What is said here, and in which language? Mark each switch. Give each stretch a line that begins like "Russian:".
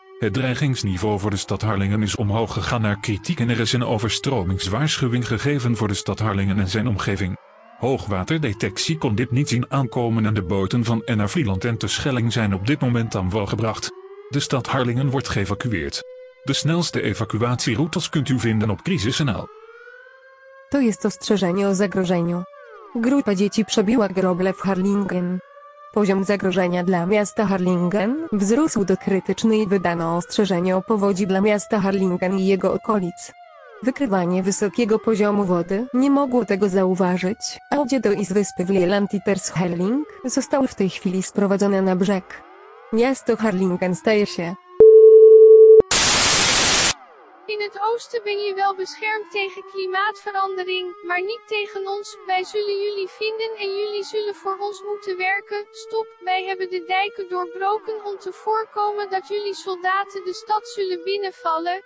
Dutch: Het dreigingsniveau voor de stad Harlingen is omhoog gegaan naar kritiek en er is een overstromingswaarschuwing gegeven voor de stad Harlingen en zijn omgeving. Hoogwaterdetectie kon dit niet zien aankomen en de boten van en naar Vlieland en Terschelling zijn op dit moment aan wal gebracht. De stad Harlingen wordt geëvacueerd. De snelste evacuatieroutes kunt u vinden op crisis.nl.
Polish: To jest ostrzeżenie o zagrożeniu. Grupa dzieci przebiła groble w Harlingen. Poziom zagrożenia dla miasta Harlingen wzrósł do krytycznej i wydano ostrzeżenie o powodzi dla miasta Harlingen i jego okolic. Wykrywanie wysokiego poziomu wody nie mogło tego zauważyć, a łodzie do Is wyspy w Lieland i Terschelling zostały w tej chwili sprowadzone na brzeg. Miasto Harlingen staje się.
Dutch: In het oosten ben je wel beschermd tegen klimaatverandering, maar niet tegen ons. Wij zullen jullie vinden en jullie zullen voor ons moeten werken. Stop, wij hebben de dijken doorbroken om te voorkomen dat jullie soldaten de stad zullen binnenvallen.